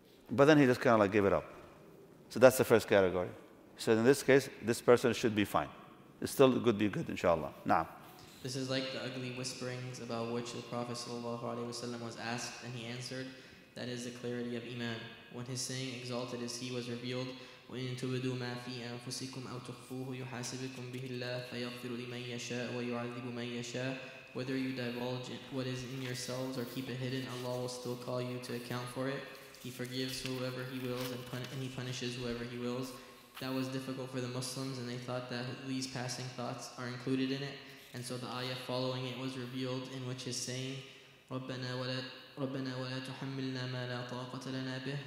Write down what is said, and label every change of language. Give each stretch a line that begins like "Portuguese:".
English: But then he just kind of like gave it up. So that's the first category. So in this case, this person should be fine. It still could be good, inshallah. Now. This is like the ugly whisperings about which the Prophet sallallahu alaihi wasallam was asked, and he answered, that is the clarity of iman. When his saying, exalted is he, was revealed,
Arabic: وَإِن تُبْدُوا مَا فِي أَنفُسِكُمْ أَوْ تُخْفُوهُ يُحَاسِبِكُمْ بِهِ اللَّهِ فَيَغْفِرُ لِمَنْ يَشَاءُ وَيُعَذِّبُ مَنْ يَشَاءُ.
English: Whether you divulge what is in yourselves or keep it hidden, Allah will still call you to account for it. He forgives whoever he wills and he punishes whoever he wills. That was difficult for the Muslims, and they thought that these passing thoughts are included in it. And so the ayah following it was revealed, in which is saying,
Arabic: رَبَّنَا وَلَا تُحَمِّلْنَا مَا لَا طَاقَةَ لَنَا بِهِ.